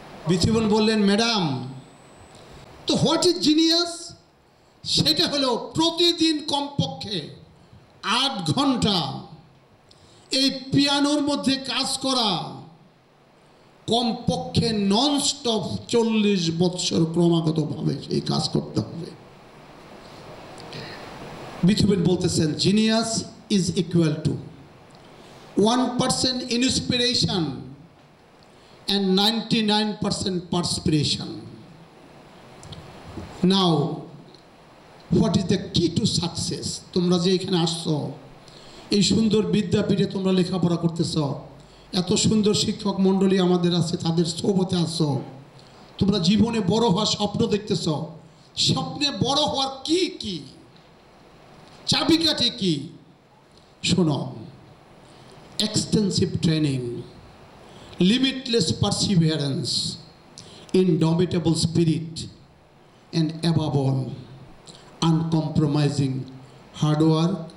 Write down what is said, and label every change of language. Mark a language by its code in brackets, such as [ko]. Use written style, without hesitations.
[bn] Beethoven বললেন, madam তো [en] what is genius, [bn] সেটা হলো প্রতিদিন কমপক্ষে 8 ঘন্টা এই পিয়ানোর মধ্যে কাজ করা, কমপক্ষে নন স্টপ 40 বৎসর ক্রমাগতভাবে এই কাজ করতে হবে। বিথোভেন বলতেছেন, [en] Genius is equal to 1% inspiration and 99% perspiration. Now, what is the key to success? [bn] তোমরা যে এখানে আসছো, এই সুন্দর বিদ্যাপীঠে তোমরা লেখাপড়া করতেছ, এত সুন্দর শিক্ষক মণ্ডলী আমাদের আছে, তাদের সোহবতে আসছো, তোমরা জীবনে বড় হওয়ার স্বপ্ন দেখতেছ, স্বপ্নে বড় হওয়ার কী কী চাবিকাঠি কী? শোনো, [en] Extensive training, limitless perseverance, indomitable spirit, and above all, uncompromising hard work.